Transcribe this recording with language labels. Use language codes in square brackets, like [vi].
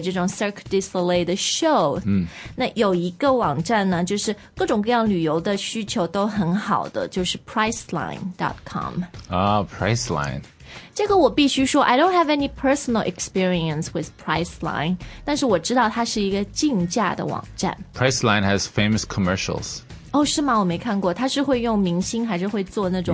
[zh] 这种 Cirque du Soleil 的秀、那有一个网站呢就是各种各样旅游的需求都很好的，就是 Priceline.com、 [en] Priceline, [zh] 这个我必须说 [en] I don't have any personal experience with Priceline, [zh] 但是我知道它是一个竞价的网站。 [en] Priceline has famous commercials。 [zh] 哦，是吗？我没看过，他是会用明星还是会做那种